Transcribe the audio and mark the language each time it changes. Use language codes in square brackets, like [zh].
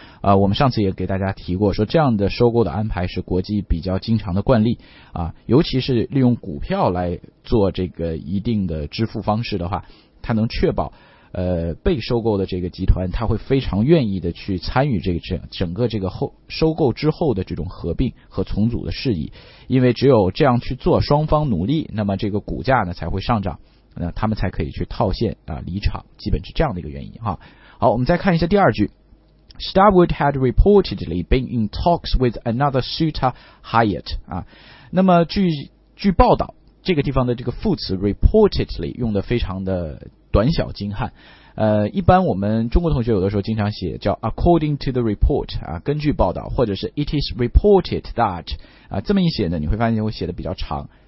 [zh] 我们上次也给大家提过，说这样的收购的安排是国际比较经常的惯例啊，尤其是利用股票来做这个一定的支付方式的话，它能确保被收购的这个集团他会非常愿意的去参与这个整个这个后收购之后的这种合并和重组的事宜。因为只有这样去做，双方努力，那么这个股价呢才会上涨，那他们才可以去套现啊离场，基本是这样的一个原因哈。好，我们再看一下第二句。 [en] Starwood had reportedly been in talks with another suitor, Hyatt 啊。 [zh] 那么据报道，这个地方的这个副词 reportedly 用的非常的短小精悍，一般我们中国同学有的时候经常写叫 [en] according to the report [zh] 啊，根据报道，或者是 [en] it is reported that [zh] 啊，这么一写呢，你会发现我写的比较长。